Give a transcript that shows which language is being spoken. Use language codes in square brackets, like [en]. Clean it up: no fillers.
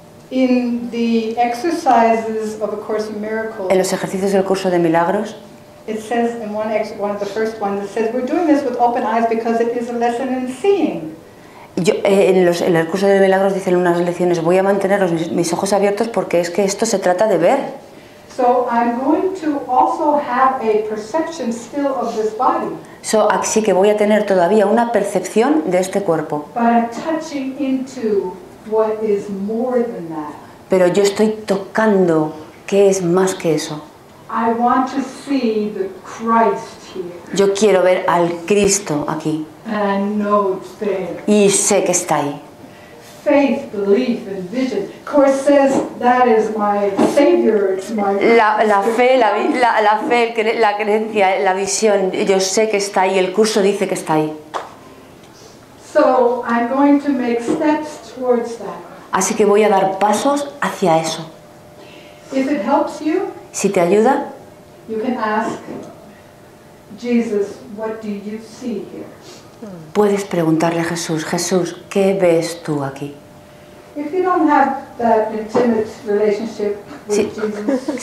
[en] In the exercises of A Course in Miracles, [es] en los ejercicios del curso de milagros, [en] it says in one of the first ones, it says we're doing this with open eyes because it is a lesson in seeing. [es] En el curso de milagros dicen unas lecciones, voy a mantener mis ojos abiertos porque es que esto se trata de ver. [en] So I'm going to also have a perception still of this body. [es] So, así que voy a tener todavía una percepción de este cuerpo. [en] But I'm touching into what is more than that. [es] Pero yo estoy tocando qué es más que eso. [en] I want to see the Christ. [es] Yo quiero ver al Cristo aquí. [en] And I know it's there. [es] Y sé que está ahí. [en] Faith, belief, and vision. Of course, says that is my savior. It's my [es] la fe, la creencia, la visión. Yo sé que está ahí. El curso dice que está ahí. [en] So I'm going to make steps towards that. [es] Así que voy a dar pasos hacia eso. [en] If it helps you, [es] si te ayuda, [en] you can ask. Jesus, what do you see here? [es] Puedes preguntarle a Jesús, Jesús, ¿qué ves tú aquí? [en] If you don't have that intimate relationship with Jesus,